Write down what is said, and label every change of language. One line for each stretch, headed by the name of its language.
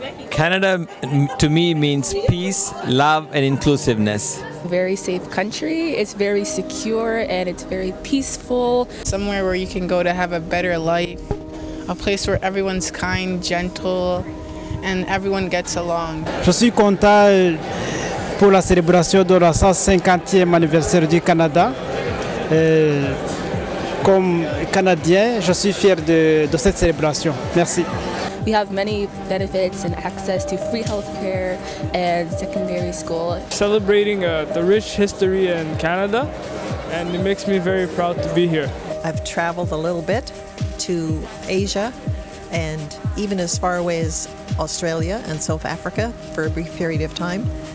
English: Canada, to me, means peace, love, and inclusiveness. Very safe country. It's very secure and it's very peaceful. Somewhere where you can go to have a better life. A place where everyone's kind, gentle, and everyone gets along.
French: Je suis content pour la célébration de la 150e anniversaire du Canada. Comme Canadien, je suis fier de cette célébration. Merci.
English: We have many benefits and access to free healthcare and secondary school. Celebrating the rich history in Canada, and it makes me very proud to be here. I've traveled a little bit to Asia and even as far away as Australia and South Africa for a brief period of time.